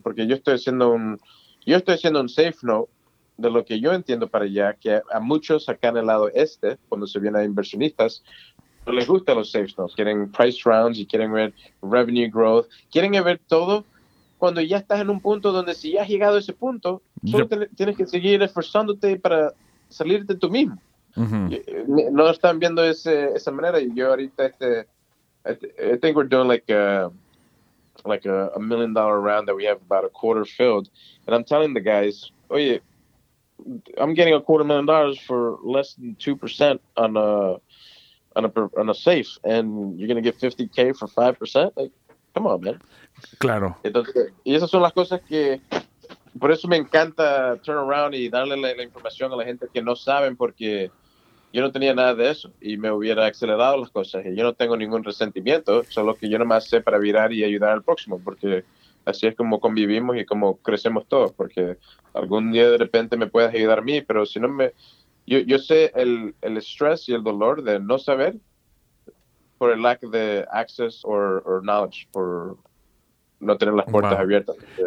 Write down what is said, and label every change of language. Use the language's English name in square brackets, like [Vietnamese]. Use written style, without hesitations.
[Spanish] Porque yo estoy haciendo un safe note de lo que yo entiendo para allá, que a muchos acá en el lado cuando se viene a inversionistas, no les gustan los safe notes. Quieren [English] price rounds [Spanish] y quieren ver [English] revenue growth. [Spanish] Quieren ver todo. Cuando ya estás en un punto donde si ya has llegado a ese punto, solo tienes que seguir esforzándote para salir de tú mismo. Uh-huh. No están viendo esa manera. Y yo ahorita, [English] I think we're doing like a $1 million round that we have about a quarter filled. And I'm telling the guys, oye, I'm getting $250,000 for less than 2% on a safe. And you're going to get $50,000 for 5%? Like, come on, man. [Spanish] Claro. Entonces, y esas son las cosas que, por eso me encanta [English] turn around [Spanish] y darle la información a la gente que no saben, porque yo no tenía nada de eso y me hubiera acelerado las cosas y yo no tengo ningún resentimiento, solo que yo nomás sé para virar y ayudar al próximo, porque así es como convivimos y como crecemos todos, porque algún día de repente me puedes ayudar a mí, pero si no yo sé el stress y el dolor de no saber por el [English] lack [Spanish] de [English] access or knowledge, [Spanish] por no tener las puertas abiertas.